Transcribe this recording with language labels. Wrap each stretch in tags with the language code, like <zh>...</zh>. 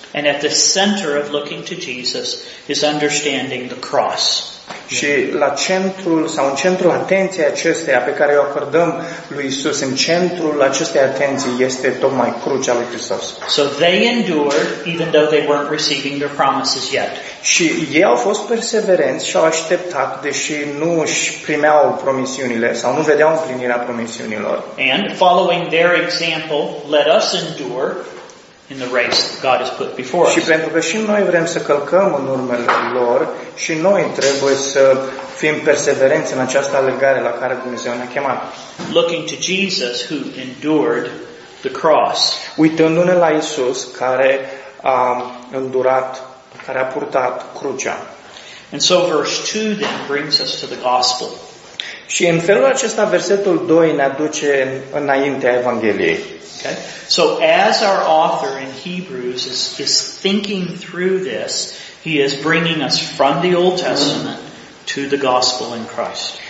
<en>And at the center of looking to Jesus is understanding the cross.</en> <ro>Și la centrul sau în centrul atenției acesteia pe care o acordăm lui Isus, în centrul acestei atenții este tocmai crucea lui Hristos.</ro> <en>So they endured even though they weren't receiving their promises yet.</en> <ro>Și ei au fost perseverenți și au așteptat deși nu își primeau promisiunile sau nu vedeau împlinirea promisiunilor.</ro> <en>And following their example, let us endure in the race that God has put before us.</en> <ro>Și pentru că și noi vrem să călcăm în urmele lor, și noi trebuie să fim perseverenți în această alergare la care Dumnezeu ne-a chemat.</ro> <en>Looking to Jesus who endured the cross.</en> <ro>Uitându-ne la Isus care a îndurat, care a purtat crucea.</ro> <en>And so verse 2 then brings us to the gospel.</en> <ro>Și în felul acesta versetul 2 ne aduce înaintea Evangheliei.</ro> <en>Okay. So as our author in Hebrews is thinking through this, he is bringing us from the Old Testament to the gospel in Christ.</en>